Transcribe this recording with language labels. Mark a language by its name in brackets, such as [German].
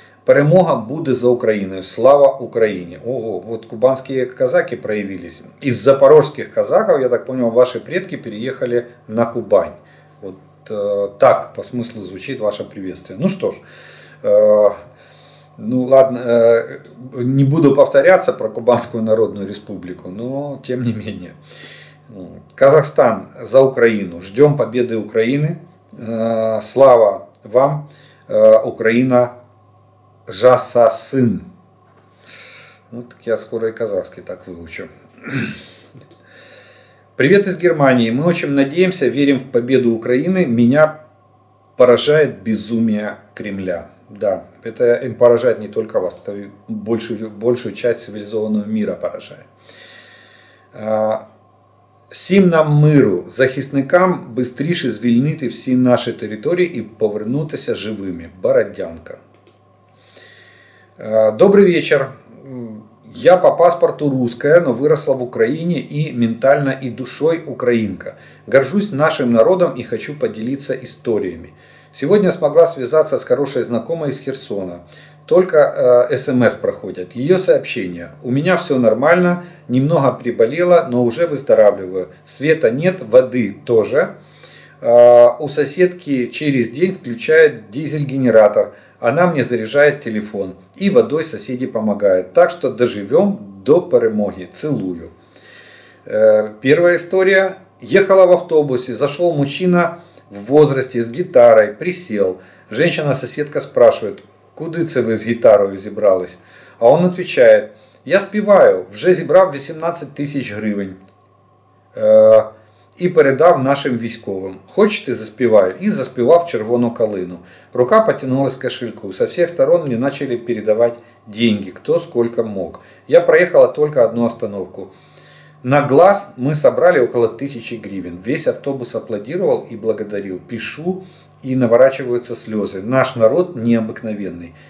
[Ukrainian] Перемога буде за Україною. Слава Україні. Ого, от кубанські казаки проявилися. Із запорозьких казаків, я так зрозумів, ваші предки переїхали на Кубань. От так по смислу звучить ваше привітання. Ну що ж, [Russian] ну ладно, не буду повторяться про Кубанскую Народную Республику, но тем не менее. Казахстан за Украину. Ждем победы Украины. Слава вам, Украина, жасасын. Ну так я скоро и казахский так выучу. Привет из Германии. Мы очень надеемся, верим в победу Украины. Меня поражает безумие Кремля. Да, это им поражает не только вас, это большую часть цивилизованного мира поражает. [Ukrainian] Всім нам миру, захисникам быстріше звільнити всі наші території і повернутися живими. Бородянка. Добрий вечір. [Russian] Я по паспорту русская, но выросла в Украине и ментально и душой украинка. Горжусь нашим народом и хочу поделиться историями. Сегодня смогла связаться с хорошей знакомой из Херсона. Только СМС проходят. Ее сообщение. У меня все нормально, немного приболела, но уже выздоравливаю. Света нет, воды тоже. У соседки через день включает дизель-генератор. Она мне заряжает телефон. И водой соседи помогают. Так что доживем до перемоги. Целую. Первая история. Ехала в автобусе, зашел мужчина в возрасте, с гитарой, присел. Женщина-соседка спрашивает, [Ukrainian] куди це ви з гитарою зібрались? [Russian] А он отвечает, [Ukrainian] я співаю, вже зібрав 18 тисяч гривень. І передав нашим військовим. Хочете, заспіваю? І заспівав «Червону калину». [Russian] Рука потянулась к кошельку. Со всех сторон мне начали передавать деньги, кто сколько мог. Я проехала только одну остановку. На глаз мы собрали около 1000 гривен. Весь автобус аплодировал и благодарил. Пишу, и наворачиваются слезы. Наш народ необыкновенный.